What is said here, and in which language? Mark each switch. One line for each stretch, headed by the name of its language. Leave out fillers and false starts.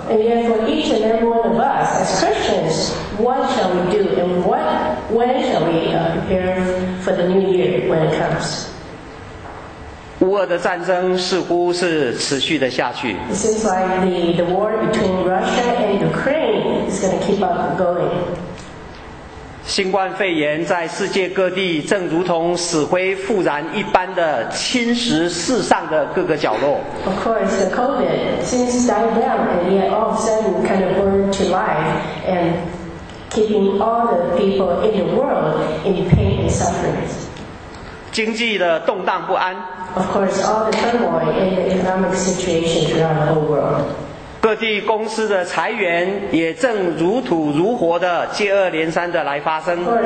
English: And yet for each and every one of us as Christians, what shall we do and when shall we prepare for the new year when it comes?
Chinese: 乌俄的战争似乎是持续的下去。
English: It seems like the war between Russia and Ukraine is going to keep up going.
Chinese: 新冠肺炎在世界各地正如同死灰复燃一般的侵蚀世上的各个角落。
English: Of course, the COVID seems to die down and yet all of a sudden kind of burn to life and keeping all the people in the world in pain and suffering.
Chinese: 经济的动荡不安。
English: Of course, all the turmoil in the economic situation throughout the whole world.
Chinese: 各地公司的裁员也正如土如火的接二连三的来发生。